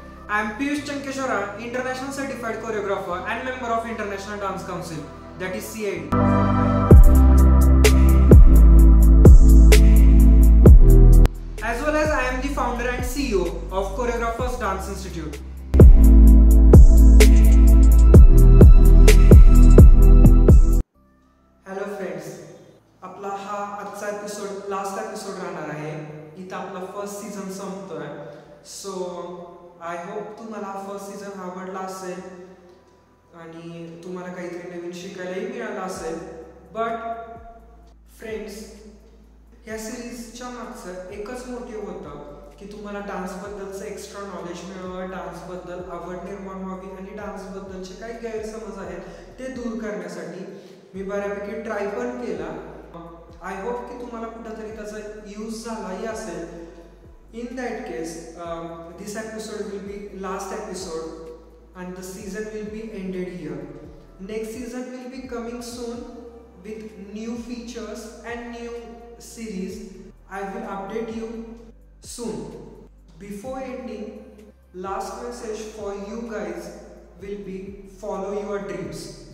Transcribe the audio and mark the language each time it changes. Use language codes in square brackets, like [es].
[en] I am Piyush Chankeshwara, international certified choreographer and member of International Dance Council that is CID. As well as I am the founder and CEO of Choreographers Dance Institute. [mr] Hello friends, अपना हा आजचा episode last episode राहणार आहे। इथं आपला first season संपतोय, [en] so I hope [mr] तुम्हाला first season आवडला असेल आणि तुम्हाला काहीतरी नवीन शिकायलाही मिळालं असेल। बट फ्रेंड्स, ह्या सिरीजच्या मागचं एकच मोटिव्ह होतं की तुम्हाला डान्सबद्दलचं एक्स्ट्रा नॉलेज मिळवं, डान्सबद्दल आवड निर्माण व्हावी आणि डान्सबद्दलचे काही गैरसमज आहेत ते दूर करण्यासाठी मी बऱ्यापैकी ट्राय पण केला। आय होप की तुम्हाला कुठंतरी त्याचा यूज झालाही असेल। [en] In that case this episode will be last episode and the season will be ended here. Next season will be coming soon with new features and new series. I will update you soon. Before ending, last message for you guys will be follow your dreams.